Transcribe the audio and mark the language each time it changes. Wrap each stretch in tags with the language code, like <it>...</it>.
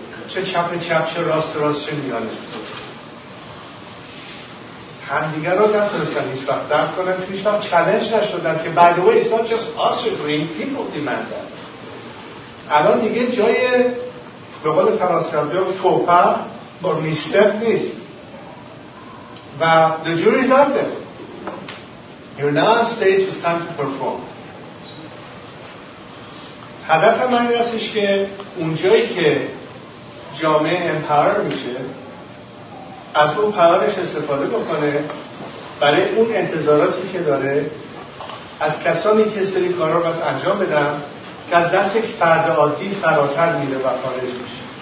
<fa>چه چپ چپ چه راست راست چه میانه هم دیگر رو نتونستن هیچ وقت درک کنن چون هیچ وقت چلنج نشدن که</fa> <en>by the way it's not just us agreeing, people demand that.</en> <fa>الان دیگه جای به قول فرانسوی ها فوپا با میستر نیست و</fa> <en>the jury is out there. You're now on stage, it's time to perform.</en> <fa>هدف من این هستش که اونجایی که جامعه امپاور میشه از اون پاورش استفاده بکنه برای اون انتظاراتی که داره از کسانی که سری کارا رو بس انجام بدن که از دست یک فرد عادی فراتر میره و خارج میشه.</fa>